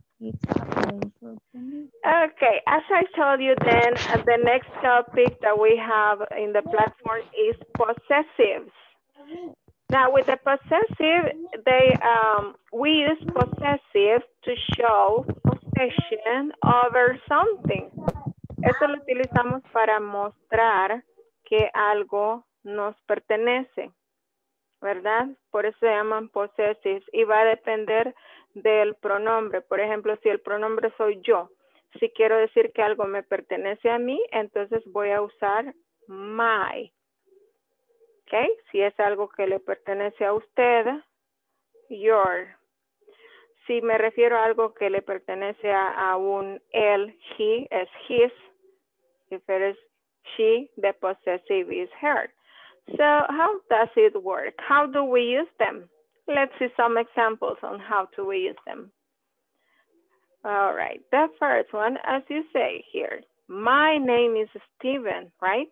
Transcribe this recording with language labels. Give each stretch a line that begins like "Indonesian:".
English: Okay, as I told you then, the next topic that we have in the platform is possessives. Now with the possessive, we use possessive to show possession over something.
Spanish: Esto lo utilizamos para mostrar que algo nos pertenece. ¿Verdad? Por eso se llaman possessives y va a depender del pronombre. Por ejemplo, si el pronombre soy yo, si quiero decir que algo me pertenece a mí, entonces voy a usar my. ¿Ok? Si es algo que le pertenece a usted, your. Si me refiero a algo que le pertenece a un él, he, es his.
English: If it is she, the possessive is her. So, how does it work? How do we use them? Let's see some examples on how do we use them. All right, the first one, as you say here, my name is Steven, right?